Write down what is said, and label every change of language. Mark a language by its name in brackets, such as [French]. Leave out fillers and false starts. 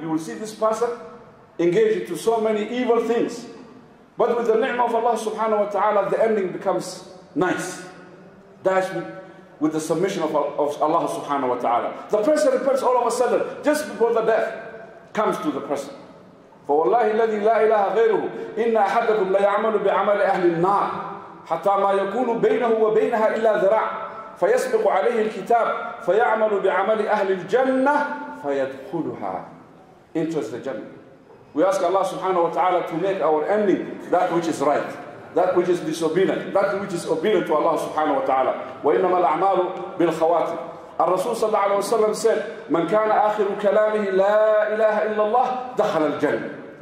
[English] You will see this person engaged to so many evil things. But with the ni'mah of Allah subhanahu wa ta'ala, the ending becomes nice. That's with the submission of Allah subhanahu wa ta'ala. The person repents all of a sudden, just before the death comes to the person. For [Arabic] وَاللَّهِ الَّذِي لَا إِلَهَ غَيْرُهُ إِنَّ أَحَدَكُمْ لَيَعْمَلُ بِعَمَلِ أَهْلِ النَّارِ حَتَّى مَا يَكُونُ بَيْنَهُ وَبَيْنَهَا إِلَّا ذِرَاعٌ فيسبق عليه الكتاب فيعمل بعمل أهل الجنة فيدخلها [English] into the Jannah. We ask Allah subhanahu wa ta'ala to make our ending that which is right, that which is disobedient, that which is obedient to Allah subhanahu wa ta'ala. [Arabic] وإنما الأعمال بالخواتم. الرسول صلى الله عليه وسلم [English] said, [Arabic] من كان آخر كلامه لا إله إلا الله دخل الجنة.